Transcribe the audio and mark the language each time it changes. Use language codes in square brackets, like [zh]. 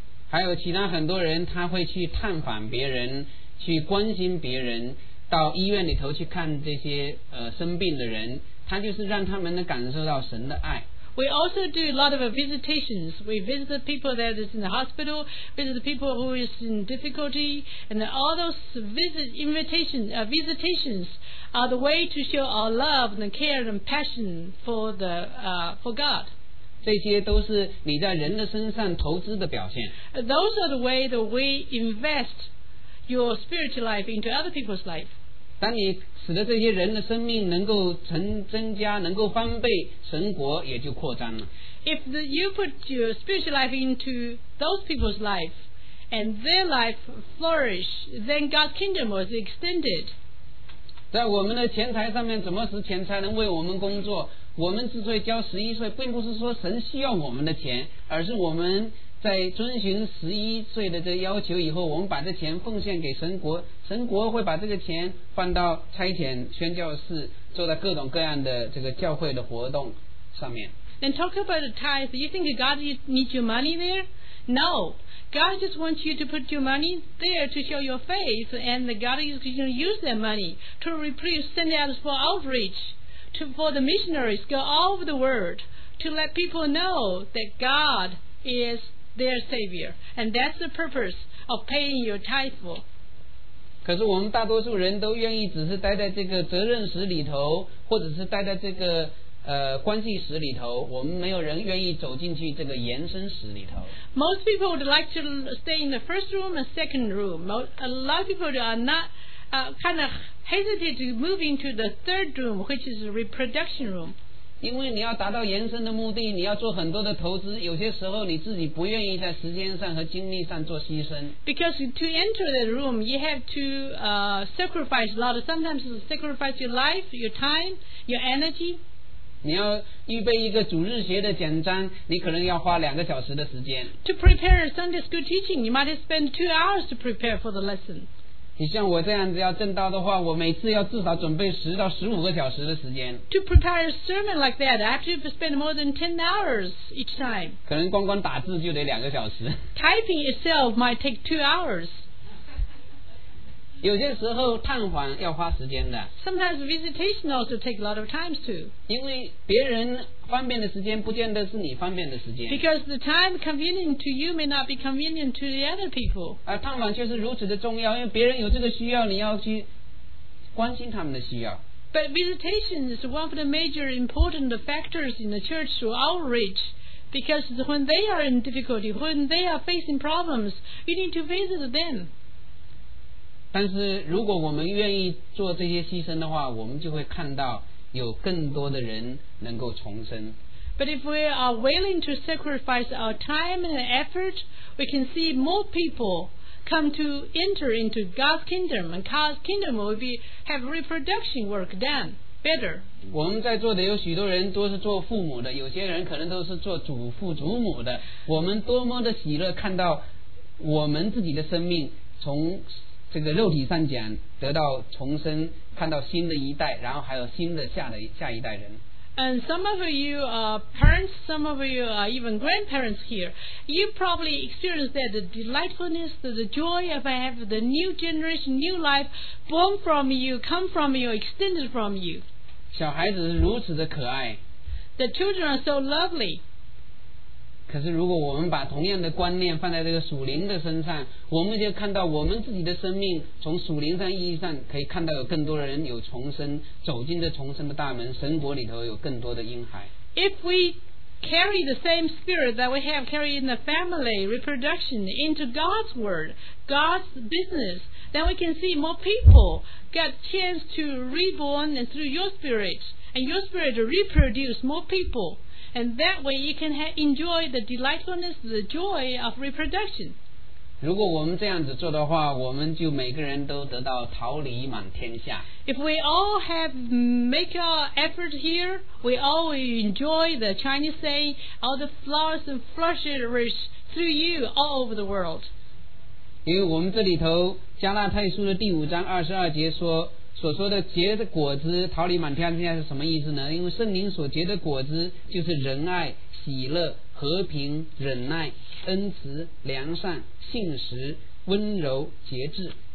[zh] 还有其他很多人，他会去探访别人，去关心别人，到医院里头去看这些生病的人，他就是让他们能感受到神的爱。 [en] We also do a lot of visitations. We visit the people that is in the hospital, visit the people who is in difficulty, and all those visitations are the way to show our love and care and passion for God. [zh] 这些都是你在人的身上投资的表现。 [en] Those are the way that we invest your spiritual life into other people's life. [zh] 当你使得这些人的生命能够增加，能够翻倍，神国也就扩张了。 [en] If you put your spiritual life into those people's life and their life flourish, then God's kingdom was extended. [zh] 在我们的钱财上面，怎么使钱财能为我们工作？我们之所以交十一税，并不是说神需要我们的钱，而是我们在遵循十一岁的这要求以后，我们把这钱奉献给神国，神国会把这个钱放到差遣宣教士做到各种各样的这个教会的活动上面。 [en] Then talk about the tithe. You think God needs your money there? No, God just wants you to put your money there to show your faith, and God is going to use that money to reproduce, send out for outreach, for the missionaries go all over the world to let people know that God is their savior, and that's the purpose of paying your tithe for. [zh] 可是我们大多数人都愿意只是待在这个责任室里头，或者是待在这个关系室里头，我们没有人愿意走进去这个延伸室里头。 [en] Most people would like to stay in the first room and second room. A lot of people are not kind of hesitate to move into the third room, which is a reproduction room. [zh] 因为你要达到延伸的目的，你要做很多的投资，有些时候你自己不愿意在时间上和精力上做牺牲。 [en] Because to enter the room you have to sacrifice a lot of, sometimes sacrifice your life, your time, your energy. [zh] 你要预备一个主日学的简章，你可能要花两个小时的时间。 [en] To prepare a Sunday school teaching, you might spend 2 hours to prepare for the lesson. [zh] 你像我这样子要证道的话，我每次要至少准备10到15个小时的时间。 [en] To prepare a sermon like that, I have to spend more than 10 hours each time. [zh] 可能光打字就得2个小时。 [en] Typing itself might take 2 hours. [zh] 有些时候探访要花时间的。 [en] Sometimes visitation also take a lot of times too. [zh] 因为别人方便的时间不见得是你方便的时间。 [en] Because the time convenient to you may not be convenient to the other people. [zh] 而探访却是如此的重要，因为别人有这个需要，你要去关心他们的需要。 [en] But visitation is one of the major important factors in the church to outreach, because when they are in difficulty, when they are facing problems, you need to visit them. [zh] 但是如果我们愿意做这些牺牲的话，我们就会看到有更多的人能够重生。 [en] But if we are willing to sacrifice our time and effort, we can see more people come to enter into God's kingdom, and God's kingdom will have reproduction work done. better. [zh] 我们在座的有许多人都是做父母的，有些人可能都是做祖父祖母的。我们多么的喜乐看到我们自己的生命从这个肉体上讲得到重生，看到新的一代，然后还有新的下一代人。 [en] And some of you are parents, some of you are even grandparents here. You probably experience that the delightfulness, the joy of having the new generation, new life born from you, come from you, extended from you. [zh] 小孩子如此的可爱。 [en] The children are so lovely. [zh] 可是如果我们把同样的观念放在这个属灵的身上，我们就看到我们自己的生命从属灵上意义上可以看到有更多人有重生，走进这重生的大门，神国里头有更多的婴孩。 [en] If we carry the same spirit that we have carried in the family reproduction into God's word, God's business, then we can see more people get chance to reborn and through your spirit and your spirit to reproduce more people, and that way you can enjoy the delightfulness, the joy of reproduction. [zh] 如果我们这样子做的话，我们就每个人都得到桃李满天下。 [en] If we all have make our effort here, we all enjoy the Chinese saying, all the flowers and flourish through you all over the world. [zh] 因为我们这里头加拉太书的第五章二十二节说，所说的结的果子桃李满天下是什么意思呢？因为圣灵所结的果子就是仁爱、喜乐、和平、忍耐、恩慈、良善、信实、温柔、节制。